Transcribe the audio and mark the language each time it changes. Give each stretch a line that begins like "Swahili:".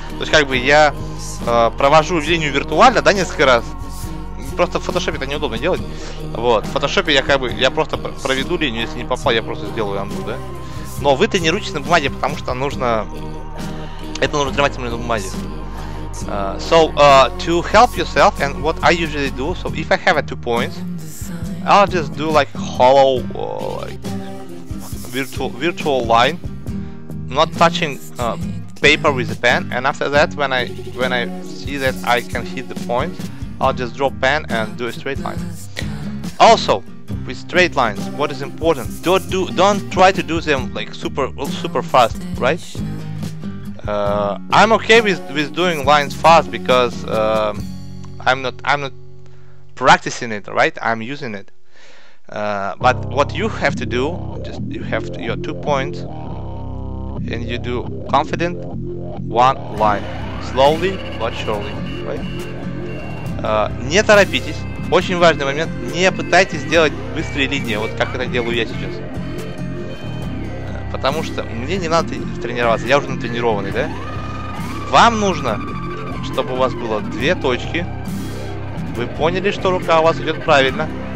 Russian: То есть как бы я провожу линию виртуально, да, несколько раз. Просто в фотошопе это неудобно делать. Вот, в фотошопе я как бы, я просто проведу линию, если не попал, я просто сделаю анду, да. Но вы тренируетесь на бумаге, потому что нужно, это нужно тренировать именно на бумаге.
English: To help yourself, and what I usually do, so if I have 2 points, I'll just do like hollow, like virtual line, not touching paper with the pen, and after that, when I see that I can hit the point, I'll just draw pen and do a straight line. Also, with straight lines, what is important, don't try to do them like super fast, right? I'm okay with doing lines fast because I'm not practicing it, right? I'm using it. But what you have to do, just you have to, your 2 points, and you do confident one line, slowly but surely, right?
Russian: Не торопитесь. Очень важный момент. Не пытайтесь сделать быстрые линии, вот как это делаю я сейчас. Потому что мне не надо тренироваться, я уже натренированный, да? Вам нужно, чтобы у вас было 2 точки. Вы поняли, что рука у вас идет правильно.